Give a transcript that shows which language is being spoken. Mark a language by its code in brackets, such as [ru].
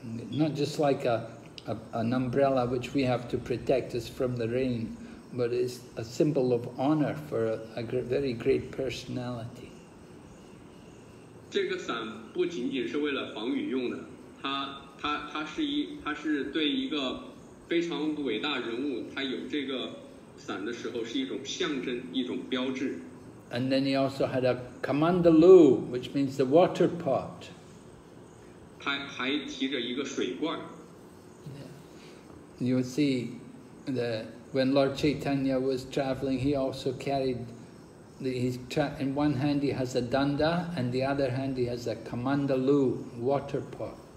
[en] Not just like an umbrella which we have to protect us from the rain, but it's a symbol of honor for a very great personality. [zh] 这个伞不仅仅是为了防雨用的，它是对一个非常伟大人物，它有这个伞的时候是一种象征，一种标志。 [en] And then he also had a kamandalu, which means the water pot. [zh] 他还提着一个水罐。 [en] You see that when Lord Chaitanya was traveling, he also carried. In one hand he has a danda, and the other hand he has a kamandalu, water pot.